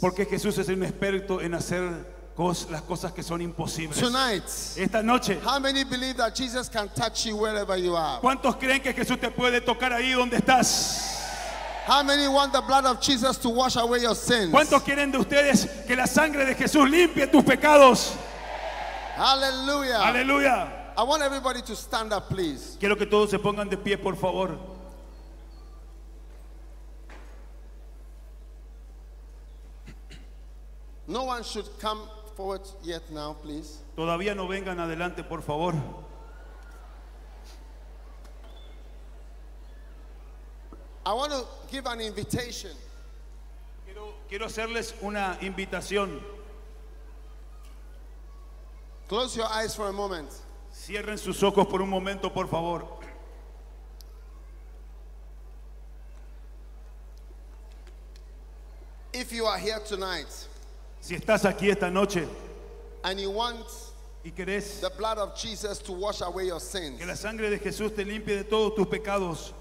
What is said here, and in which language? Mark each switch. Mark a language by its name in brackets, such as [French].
[Spanish] Porque Jesús es un experto en hacer las cosas que son imposibles. [English] Tonight, [Spanish] esta noche, [English] how many believe that Jesus can touch you wherever you are? [Spanish] ¿Cuántos creen que Jesús te puede tocar ahí donde estás? [English] How many want the blood of Jesus to wash away your sins? [Spanish] ¿Cuántos quieren de ustedes que la sangre de Jesús limpie tus pecados? [English] Hallelujah. Hallelujah. I want everybody to stand up, please. [Spanish] Quiero que todos se pongan de pie, por favor. [English] No one should come forward yet now, please. [Spanish] Todavía no vengan adelante, por favor. [English] I want to give an invitation. [Spanish] Quiero hacerles una invitación. [English] Close your eyes for a moment. [Spanish] Cierren sus ojos por un momento, por favor. [English] If you are here tonight, [Spanish] si estás aquí esta noche, [English] and you want, [Spanish] y querés, [English] the blood of Jesus to wash away your sins, [Spanish] que la sangre de Jesús te limpie de todos tus pecados,